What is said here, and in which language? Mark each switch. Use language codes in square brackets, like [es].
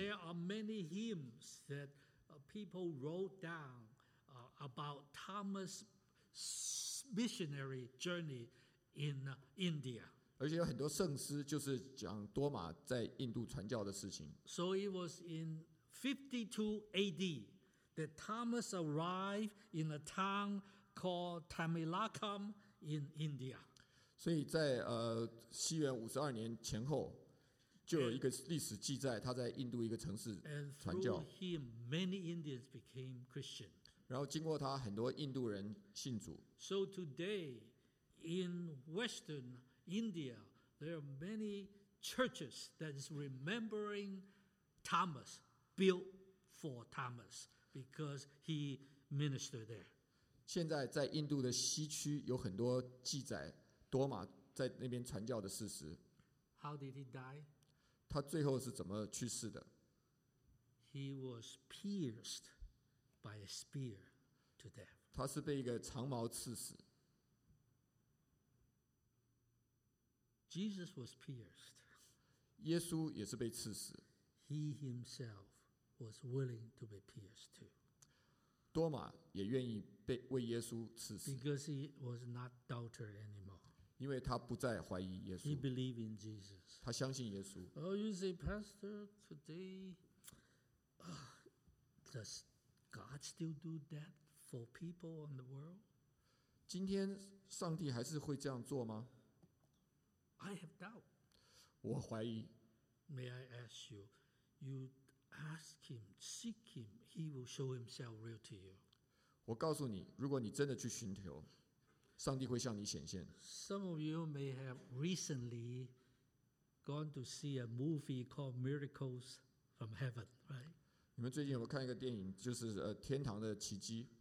[en] There are many hymns that people wrote down about Thomas' missionary journey in India. [zh] 而且有很多圣诗就是讲多马在印度传教的事情。 [en] So it was in 52 AD that Thomas arrived in a town called Tamilakam in India. [zh] 所以在 西元52年前后, 就有一个历史记载他在印度一个城市传教。 [en] And through him, many Indians became Christian. [zh] 然后经过他, 很多印度人信主。 [en] So today, in Western India, there are many churches that is remembering Thomas, built for Thomas, because he ministered there. [zh] 现在在印度的西区, 有很多记载, 多马在那边传教的事实。 [en] How did he die? [zh] 他最后是怎么去世的? [en] He was pierced by a spear to death. [zh] 他是被一个长矛刺死。 [en] Jesus was pierced. [zh] 耶稣也是被刺死。 [en] He himself was willing to be pierced too. [zh] 多马也愿意被为耶稣刺死。 [en] Because he was not doubter anymore. [zh] 因为他不再怀疑耶稣。 [en] He believed in Jesus. [zh] 他相信耶稣。 [en] Oh, you say, Pastor, today, does God still do that for people in the world? [zh] 今天上帝还是会这样做吗? [en] I have doubt. [zh] 我怀疑。 [en] May I ask you, you ask him, seek him, he will show himself real to you. [zh] 我告诉你, 如果你真的去寻求, 上帝会向你显现。 [en] Some of you may have recently gone to see a movie called Miracles from Heaven, right? [zh] 你们最近有没有看一个电影, 就是, 天堂的奇迹。